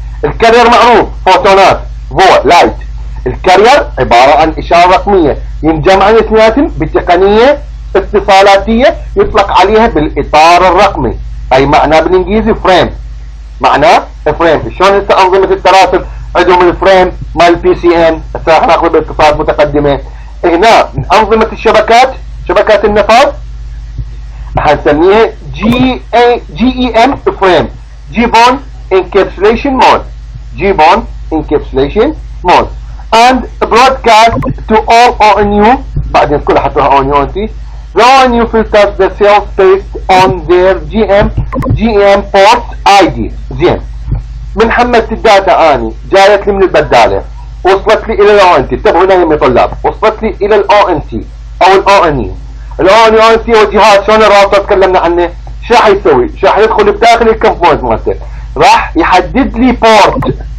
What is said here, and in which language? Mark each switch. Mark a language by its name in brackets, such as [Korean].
[Arabic] الكارير معروف فوتونات ضوء لايت. الكارير عبارة عن إشارة رقمية ينجمع اثنين بتقنية اتصالاتية يطلق عليها بالإطار الرقمي أي معنى بالإنجليزي فريم. معنى فريم شلون هسه أنظمة التراسل عندهم الفريم مال بي سي إن هسه راح ناخذ بالاتصالات متقدمة. هنا أنظمة الشبكات شبكات النفاذ راح نسميها GEM فريم G-Bone Encapsulation Mode G-Bone Encapsulation Mode [English] and broadcast to all ONU [Arabic] بعدين كل حطوها ONU ONT. [English] The ONU filters the cells based on their GM port ID. [Arabic] زين من حملت الداتا آني جايت لي من البدالة وصلت لي إلى الـ ONT. تبعوا هنا يا طلاب وصلت لي إلى الـ ONT أو الـ ONU الان يو ان سي والجهاز شلون الراوتر تكلمنا عنه، ايش راح يسوي؟ راح يدخل بداخل الكومبوننت مالته، راح يحدد لي بورت.